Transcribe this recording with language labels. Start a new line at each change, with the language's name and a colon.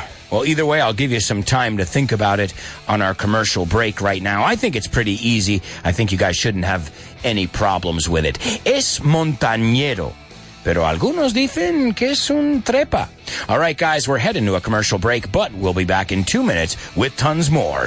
English: Well, either way, I'll give you some time to think about it on our commercial break right now. I think it's pretty easy. I think you guys shouldn't have any problems with it.
Spanish: Es montañero, pero algunos dicen que es un trepa.
English: All right, guys, we're heading to a commercial break, but we'll be back in 2 minutes with tons more.